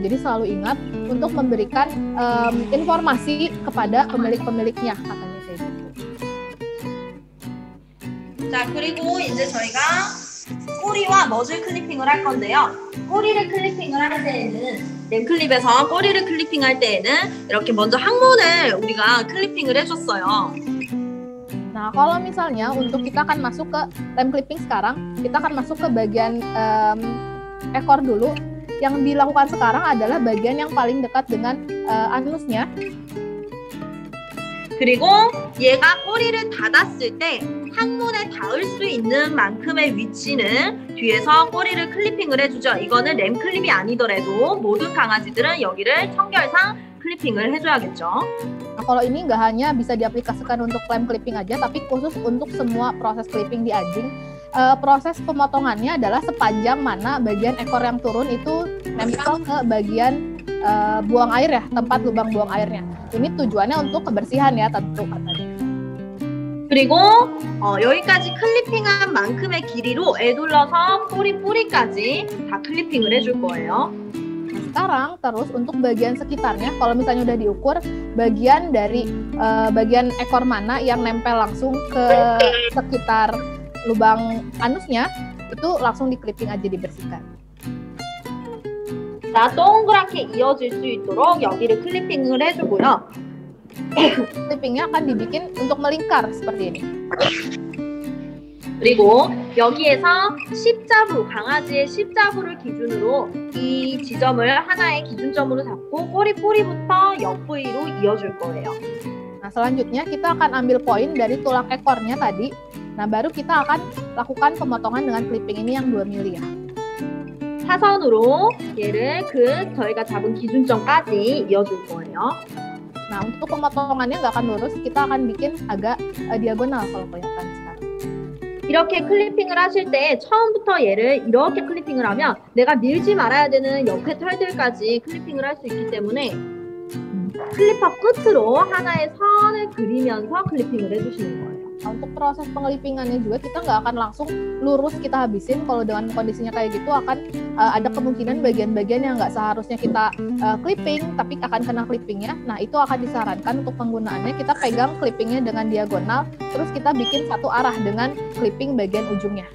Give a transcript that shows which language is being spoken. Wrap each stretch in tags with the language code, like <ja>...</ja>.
<id>Jadi selalu ingat untuk memberikan informasi kepada pemilik-pemiliknya, katanya kayak gitu.</id> <ko>Nah, 그리고 이제 저희가 꼬리와 머슬 클리핑을 할 건데요. 꼬리를 클리핑을 할 때에는 랭클립에서 꼬리를 클리핑할 때에는 이렇게 먼저 항문을 우리가 클리핑을 해줬어요.</ko> <id>Nah, kalau misalnya untuk kita akan masuk ke lem clipping sekarang, kita akan masuk ke bagian ekor dulu. Yang dilakukan sekarang adalah bagian yang paling dekat dengan anusnya.</id> <ko>그리고 얘가 꼬리를 닫았을 때 항문에 닿을 수 있는 만큼의 위치는 뒤에서 꼬리를 클리핑을 해주죠. 이거는 램 클립이 아니더라도 모든 강아지들은 여기를 청결상 클리핑을 해줘야겠죠.</ko> <id>Nah, kalau ini nggak hanya bisa diaplikasikan untuk lem clipping aja, tapi khusus untuk semua proses clipping di anjing. Proses pemotongannya adalah sepanjang mana bagian ekor yang turun itu nempel ke bagian buang air ya, tempat lubang buang airnya. Ini tujuannya untuk kebersihan ya tentu katanya.</id> <ko>그리고 여기까지 클리핑한 만큼의 길이로 에둘러서 꼬리 뿌리까지 다 클리핑을 해줄 거예요.</ko> <id>Sekarang terus untuk bagian sekitarnya, kalau misalnya udah diukur bagian dari bagian ekor mana yang nempel langsung ke sekitar lubang anusnya, itu langsung di clipping aja dibersihkan.</id> <ko>Nah, 동그랗게 이어질 수 있도록 여기를 클리핑을 해주고요.</ko> <id>Clippingnya akan dibikin untuk melingkar seperti ini.</id> <ko>그리고 여기에서 십자부, 강아지의 십자부를 기준으로 이 지점을 하나의 기준점으로 잡고 꼬리 뿌리부터 옆 부위로 이어줄 거예요.</ko> <id>Nah, selanjutnya kita akan ambil poin dari tulang ekornya tadi. Nah, baru kita akan lakukan pemotongan dengan clipping ini yang 2 mili ya.</id> <ko>사선으로 얘를 그 저희가 잡은 기준점까지 이어줄 거예요.</ko> <id>Nah, untuk pemotongannya nggak akan lurus, kita akan bikin agak diagonal kalau kelihatan sekarang. 이렇게 클리핑을 하실 때 처음부터 얘를 이렇게 클리핑을 하면 내가 밀지 말아야 되는 옆에 털들까지 클리핑을 할 수 있기 때문에 클리퍼 끝으로 하나의 선을 그리면서 클리핑을 해주시는 거예요. Nah, untuk proses pengelipingannya juga kita nggak akan langsung lurus kita habisin. Kalau dengan kondisinya kayak gitu akan ada kemungkinan bagian-bagian yang nggak seharusnya kita clipping tapi akan kena clippingnya. Nah itu akan disarankan untuk penggunaannya kita pegang clippingnya dengan diagonal, terus kita bikin satu arah dengan clipping bagian ujungnya.</id>